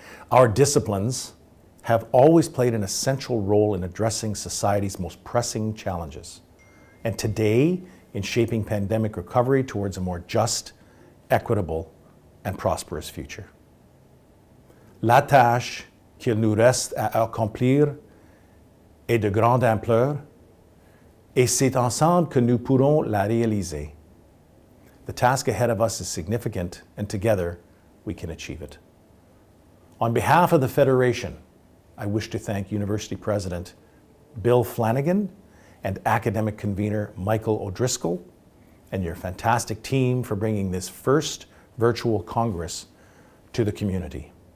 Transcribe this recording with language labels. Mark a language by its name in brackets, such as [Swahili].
[English] Our disciplines have always played an essential role in addressing society's most pressing challenges, and today, in shaping pandemic recovery towards a more just, equitable, and prosperous future. [French] La tâche qu'il nous reste à accomplir est de grande ampleur, et c'est ensemble que nous pourrons la réaliser. [English] The task ahead of us is significant, and together we can achieve it. On behalf of the Federation, I wish to thank University President Bill Flanagan and academic convener Michael O'Driscoll and your fantastic team for bringing this first virtual Congress to the community.